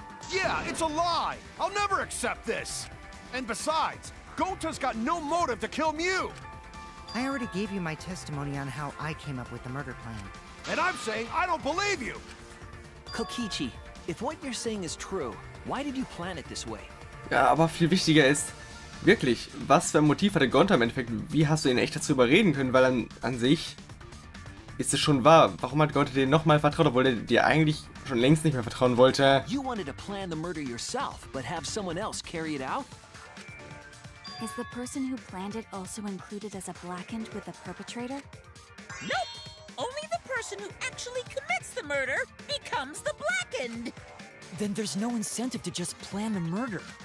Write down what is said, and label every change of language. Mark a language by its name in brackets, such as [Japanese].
[English] Yeah, it's a lie! I'll never accept this! And besides, Gonta's got no motive to kill Mew! I already gave you my testimony on how I came up with the murder plan. And I'm saying I don't believe you! Kokichi, if what you're saying is true, why did you plan it this way? [German] Ja, aber viel wichtiger ist, wirklich, was für ein Motiv hatte Gonta im Endeffekt? Wie hast du ihn echt dazu überreden können? Weil an sich ist es schon wahr. Warum hat Gonta dir nochmal vertraut, obwohl er dir eigentlich schon längst nicht mehr vertrauen wollte? [English] You wanted to plan the murder yourself, but have someone else carry it out? Is the person who planned it also included as a blackened with the perpetrator? Nope! Only the person who actually commits the murder becomes the blackened! Then there's no incentive to just plan the murder.